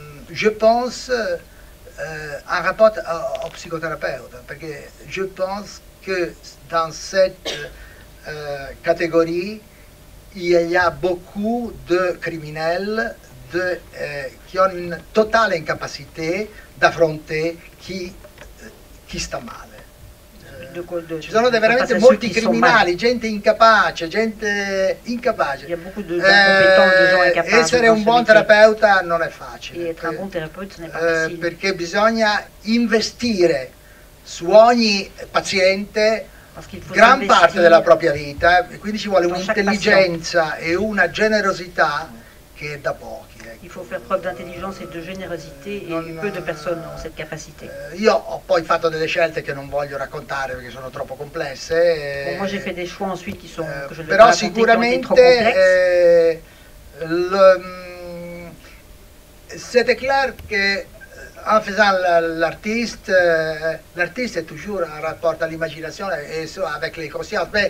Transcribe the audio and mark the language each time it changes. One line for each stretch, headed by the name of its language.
French: Je pense en rapport au psychothérapeute, parce que je pense que dans cette catégorie, il y a beaucoup de criminels qui ont une totale incapacité d'affronter qui
Italian: sta male. Ci sono veramente molti criminali, gente incapace.
French: Il y a beaucoup de gens compétents, de gens incapaces.
Italian: Essere un buon terapeuta non è facile.
French: Et être un bon thérapeute, ce n'est pas facile.
Italian: Perché bisogna investire su ogni paziente gran parte della propria vita, e quindi ci vuole un'intelligenza e una generosità che è da pochi.
French: Il faut faire preuve d'intelligence et de générosité et peu de personnes ont cette capacité.
Italian: Io ho poi fatto delle scelte che non voglio raccontare perché sono troppo complesse.
French: Moi j'ai fait des choix ensuite qui sont que je ne
Italian: però sicuramente
French: c'est clair que en faisant l'artiste est toujours en rapport à l'imagination et avec les consciences.